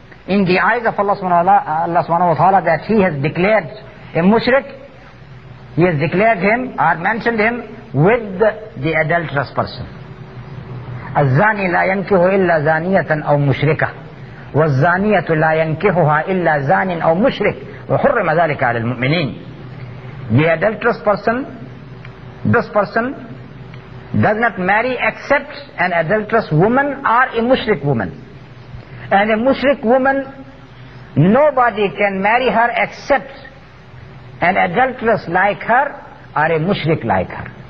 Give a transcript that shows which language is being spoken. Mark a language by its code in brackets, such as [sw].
[en] in the eyes of Allah subhanahu wa ta'ala that he has declared a mushrik, he has declared him or mentioned him with the adulterous person. [ar] الزاني لا ينكه إلا زانية أو مشركة والزانية لا ينكهها إلا زان أو مشرك وحرم ذلك على المؤمنين. [en] The adulterous person, this person does not marry except an adulterous woman or a mushrik woman. And a mushrik woman, nobody can marry her except an adulteress like her or a mushrik like her.